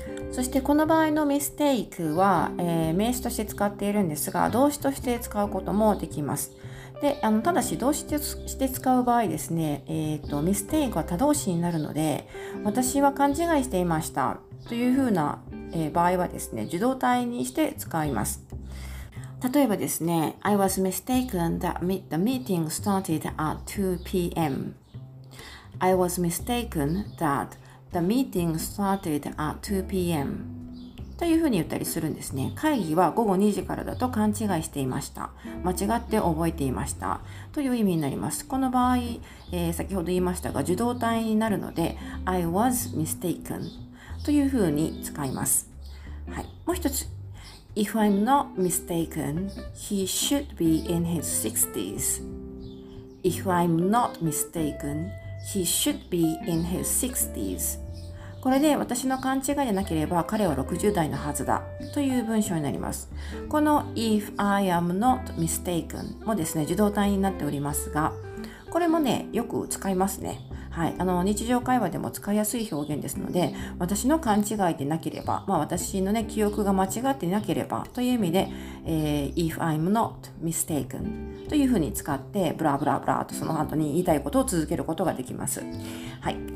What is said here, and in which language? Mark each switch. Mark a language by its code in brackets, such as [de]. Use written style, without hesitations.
[ja] そしてこの場合のミステイクは、名詞として使っているんですが、動詞として使うこともできます。で、ただし動詞として使う場合ですね、ミステイクは他動詞になるので、私は勘違いしていましたというふうな、場合はですね、受動態にして使います。例えばですね、 [en] I was mistaken that the meeting started at 2 p.m. I was mistaken thatThe meeting started at 2 p.m. [ja] というふうに言ったりするんですね。会議は午後2時からだと勘違いしていました。間違って覚えていましたという意味になります。この場合、先ほど言いましたが受動態になるので [en] I was mistaken [ja] というふうに使います。はい、もう一つ。 [en] If I'm not mistaken, he should be in his 60s. If I'm not mistaken,He should be in his 60s. [ja] これで私の勘違いでなければ彼は60代のはずだという文章になります。この [en] If I am not mistaken [ja] もですね、受動態になっておりますが、これもね、よく使いますね。はい、日常会話でも使いやすい表現ですので、私の勘違いでなければ、まあ、私のね、記憶が間違ってなければという意味で、 [en] If I'm not mistaken [ja] というふうに使って、ブラブラブラとその後に言いたいことを続けることができます。はい。